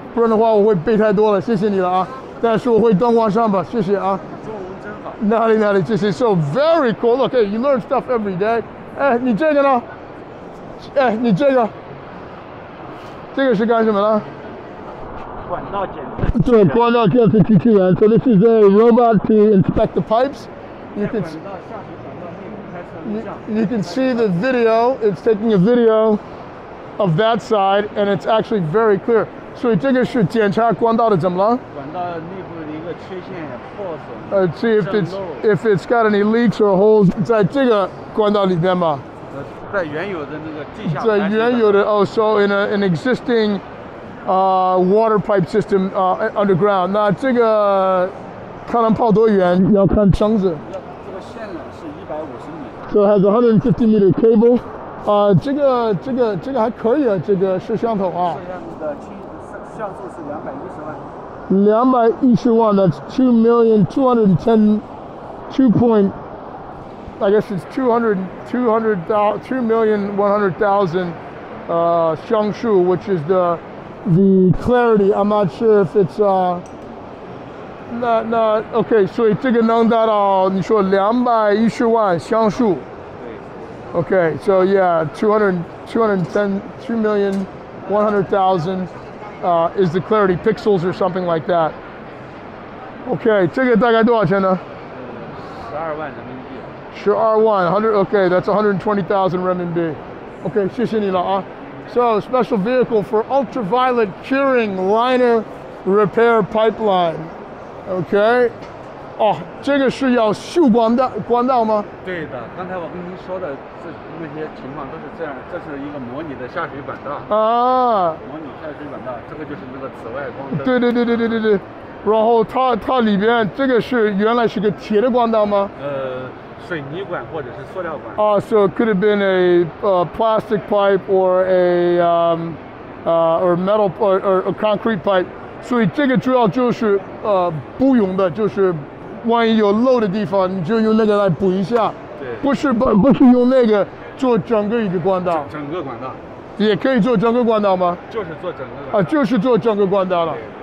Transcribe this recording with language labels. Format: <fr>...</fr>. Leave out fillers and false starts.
<zh>不然的话我会背太多了。谢谢你了啊！但是我会登网上吧，谢谢啊。中文真好。哪里哪里，谢谢。</zh> <en>So very cool. Okay, you learn stuff every day.</en> <zh>哎，你这个呢？哎，你这个，这个是干什么的？管道检测。对，管道检测机器人。</zh> <en>So this is a robot to inspect the pipes. You can see the video. You can see the video. It's taking a video of that side, and it's actually very clear.</en> <zh>所以这个是检查管道的，怎么了？管道内部的一个缺陷、破损、</zh> <en>渗漏。See if it's got any leaks or holes</en> <zh>在这个管道里边吗？在原有的那个地下。在原有的哦</zh> <en>，so in an existing water pipe system underground。</en> <zh>那这个它能跑多远？要看绳子。这个线缆是150米。</zh> <en>So it has 150 meter cable。</en> <zh>这个还可以啊，这个摄像头啊。摄像头的像素是210万。</zh> <en>That's 2,210,2. I guess it's 2,100,000 像素, which is the clarity. I'm not sure if it's not okay.</en> <zh>所以这个能达到你说210万像素。对。</zh> <en>Okay. So yeah, 2,100,000. Is the clarity pixels or something like that?</en> <zh>Okay, 这个大概多少钱呢？ 12万人民币。</zh> <en>100. Okay, that's 120,000 renminbi. Okay,</en> <zh>谢谢你了啊。</zh> <en>So special vehicle for ultraviolet curing liner repair pipeline. Okay.</en> <zh>哦，这个是要修管道吗？对的，刚才我跟您说的那些情况都是这样，这是一个模拟的下水管道。啊。模拟下水管道，这个就是那个紫外光灯。对。然后它里边这个是原来是个铁的管道吗？水泥管或者是塑料管。</zh> <en>So it could have been a plastic pipe or a or metal or a concrete pipe.</en> <zh>所以这个主要就是不用的，就是。万一有漏的地方，你就用那个来补一下。对，不是用那个做整个一个管道。整个管道，也可以做整个管道吗？就是做整个管道。啊，就是做整个管道了。对。</zh>